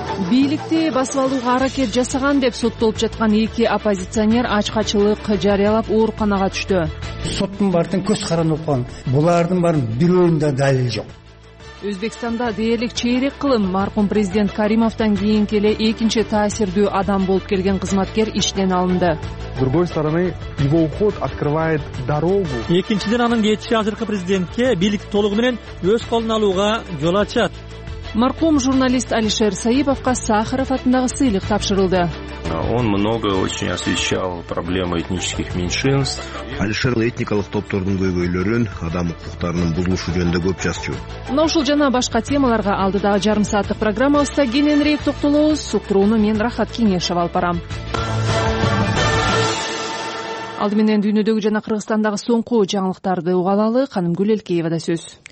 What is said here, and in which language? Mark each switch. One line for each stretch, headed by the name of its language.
Kyrgyz: Бийликти басып алууга аракет жасаган деп соттолуп жаткан эки оппозиционер ачкачылык жарыялап ооруканага түштү. Соттун бардын көз каранып калган. Булардын барын бирөөндө далил жок. Өзбекстанда дээрлик чейрек кылым маркум президент Каримовдон кийинки эле экинчи таасирдүү адам болуп келген кызматкер иштен алынды.
Russian: С другой стороны, его уход открывает дорогу.
Kyrgyz: Экинчиден анын кетиши азыркы президентке бийлик толугу менен өз колун алууга жол ачат. Марқум журналист Алишер Саиповка Сахаров атындагы сыйлык тапшырылды.
Russian: Он много очень освещал проблемы этнических меньшинств.
Kyrgyz: Алишер этникалык топтордун көйгөйлөрүн, адам укуктарынын бузулушу жөнүндө көп жазчу. Мына ушул жана башка темаларга алдыдагы жарым сааттык программабызда кененирээк токтолобуз. Суктурууну мен Рахат Кеңешов алып барам. Алды менен дүйнөдөгү жана Кыргызстандагы соңку жаңылыктарды угалалы Канымгүл Элкеевада сөз.